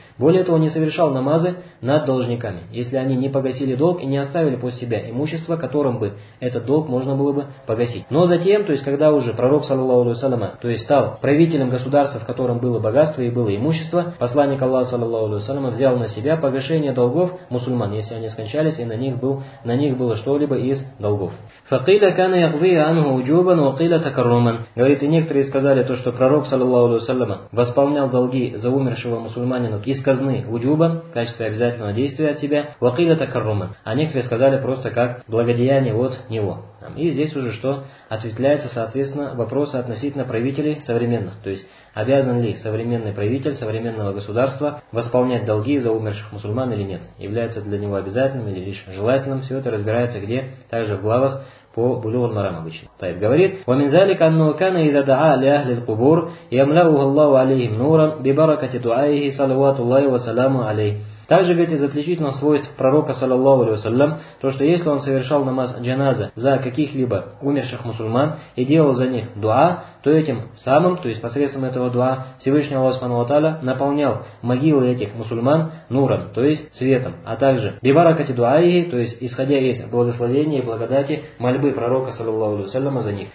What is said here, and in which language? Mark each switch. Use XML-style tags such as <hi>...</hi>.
<ru>Более того, не совершал намазы над должниками, если они не погасили долг и не оставили после себя имущество, которым бы этот долг можно было бы погасить. Но затем, то есть когда уже пророк, саллаллаху алейхи ва саллям, то есть стал правителем государства, в котором было богатство и было имущество, посланник Аллаха, саллаллаху алейхи ва саллям, взял на себя погашение долгов мусульман, если они скончались и на них было что-либо из долгов.</ru> <ar>فَقِيلَ كَانَ يَقْضِي عَنْهُ وُجُوبًا وَقِيلَ تَكَرُّمًا.</ar> <ru>Говорит, и некоторые сказали то, что пророк, саллаллаху алейхи ва саллям, восполнял долги за умершего мусульманина из казны уджубан, в качестве обязательного действия от себя,</ru> <ar>وَقِيلَ تَكَرُّمًا.</ar> <ru>А некоторые сказали просто как благодеяние от него. И здесь уже что? Ответвляется, соответственно, вопросы относительно правителей современных. То есть, обязан ли современный правитель современного государства восполнять долги за умерших мусульман или нет? Является для него обязательным или лишь желательным? Все это разбирается где? Также в главах по Булугу аль-Марам обычно. Тайб говорит:</ru> <ar>وَمِنْ ذَلِكَ أَنَّهُ كَانَ إِذَا دَعَى لِأَهْلِ الْقُبُورِ يَمْلَأُهُ اللَّهُ عَلَيْهِمْ نُورًا بِبَرَكَةِ دُعَائِهِ صَلَوَاتُ اللَّهِ وَسَلَامُ عَلَيْهِ.</ar> <ru>Также ведь из отличительных свойств пророка, саллаллаху алейхи ва саллям, то, что если он совершал намаз джаназа за каких-либо умерших мусульман и делал за них дуа, то этим самым, то есть посредством этого дуа, Всевышний Аллах субхана ва тааля наполнял могилы этих мусульман нуром, то есть светом, а также бибаракати дуаихи, то есть исходя из благословения и благодати мольбы пророка, саллаллаху алейхи ва саллям, за них.</ru>